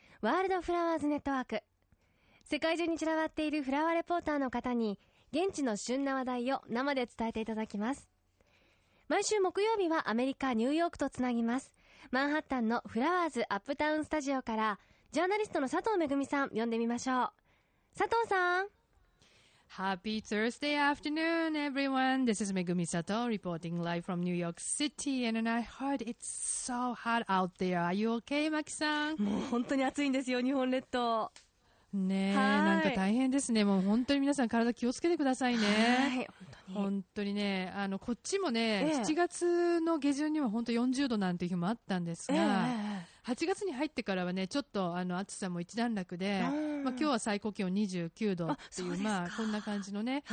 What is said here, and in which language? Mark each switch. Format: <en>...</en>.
<ja>ワールドフラワーズネットワーク。世界中に散らばっているフラワーレポーターの方に現地の旬な話題を生で伝えていただきます。毎週木曜日はアメリカ・ニューヨークとつなぎます。マンハッタンのフラワーズアップタウンスタジオからジャーナリストの佐藤めぐみさん呼んでみましょう。佐藤さん、</ja> <en>Happy Thursday afternoon, everyone. This is Megumi Sato reporting live from New York City. And I heard it's so hot out there. Are you okay, Maki-san?</en> <ja>もう本当に暑いんですよ、日本列島。ねえ、なんか大変ですね。もう本当に皆さん体気をつけてくださいね。はい、本当に。本当にね、こっちもね、7月の下旬には本当40度なんていう日もあったんですが、8月に入ってからはね、ちょっと暑さも一段落で、まあ今日は最高気温29度っていう、まあこんな感じのね、</ja>